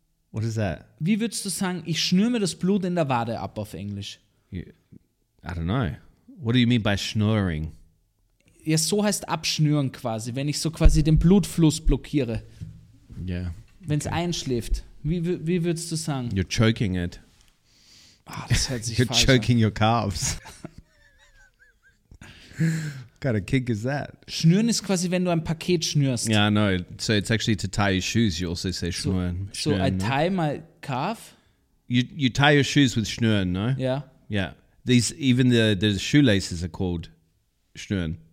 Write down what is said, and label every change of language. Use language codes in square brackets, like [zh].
[en] What is that? [de] Wie würdest du sagen, ich schnürme das Blut in der Wade ab auf Englisch? [en] I don't know. What do you mean by snoring? [de] Ja, so heißt abschnüren quasi, wenn ich so quasi den Blutfluss blockiere. Ja. Yeah. Wenn es einschläft. Wie würdest du sagen? [en] You're choking it. [de] Ah, das hört sich [en] You're [de] falsch [en] choking [de] an. [en] Your calves. What kind of kick is that? [de] Schnüren ist quasi, wenn du ein Paket schnürst. [en] Yeah, I know. So it's actually to tie your shoes, you also say schnüren. So I tie my calf? You tie your shoes with schnüren, no? Yeah. Yeah. These even the shoelaces are called schnüren.